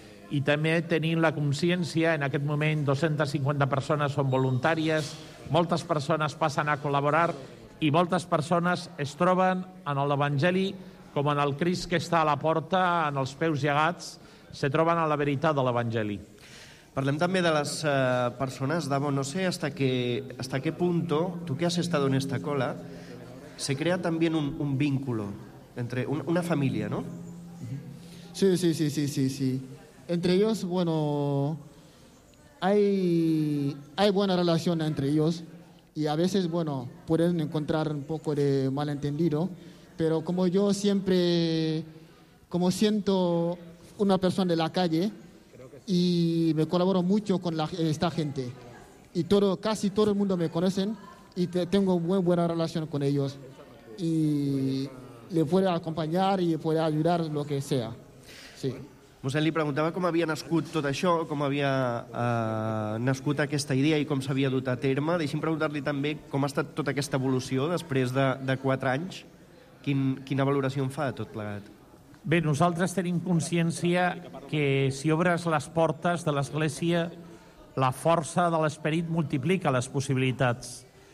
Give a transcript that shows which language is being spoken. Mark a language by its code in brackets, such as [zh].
[ca] I també tenim la consciència, en aquest moment 250 persones són voluntàries, moltes persones passen a col·laborar i moltes persones es troben en l'Evangeli com en el Crist que està a la porta, en els peus llegats, se troben a la veritat de l'Evangeli. Parlem també de les persones, [es] Davo, no sé hasta qué punto, tú que has estado en esta cola, se crea también un vínculo entre una familia, ¿no? Sí, sí, sí, sí, sí, sí. Entre ellos, bueno, hay buena relación entre ellos y a veces, bueno, pueden encontrar un poco de malentendido, pero como yo siempre, como siento una persona de la calle y me colaboro mucho con esta gente y casi todo el mundo me conocen y tengo muy buena relación con ellos y le puede acompañar y le puede ayudar lo que sea. Sí. [ca] Mossèn, li preguntava com havia nascut tot això, com havia nascut aquesta idea i com s'havia dut a terme. Deixi'm preguntar-li també com ha estat tota aquesta evolució després de 4 anys. Quina valoració en fa de tot plegat? Bé, nosaltres tenim consciència que si obres les portes de l'Església, la força de l'Esperit multiplica les possibilitats.